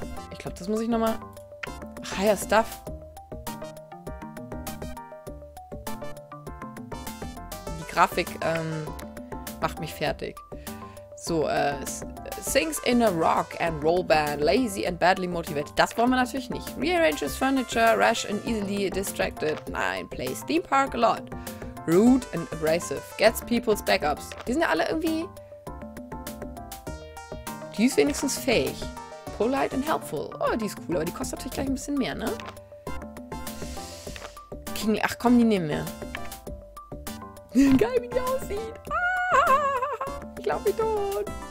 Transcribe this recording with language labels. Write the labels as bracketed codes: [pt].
[de] Ich glaube, das muss ich nochmal... Higher Stuff. Die Grafik macht mich fertig. [en] So, Sings in a rock and roll band, lazy and badly motivated. [de] Das wollen wir natürlich nicht. [en] Rearranges furniture, rash and easily distracted. Nein, plays theme park a lot. Rude and abrasive. Gets people's backups. [de] Die sind ja alle irgendwie... Die ist wenigstens fähig. [en] Polite and helpful. [de] Oh, die ist cool, aber die kostet natürlich gleich ein bisschen mehr, ne? King, ach komm, die nehmen wir. Geil, wie die aussieht. Ah, ich glaube, ich tot.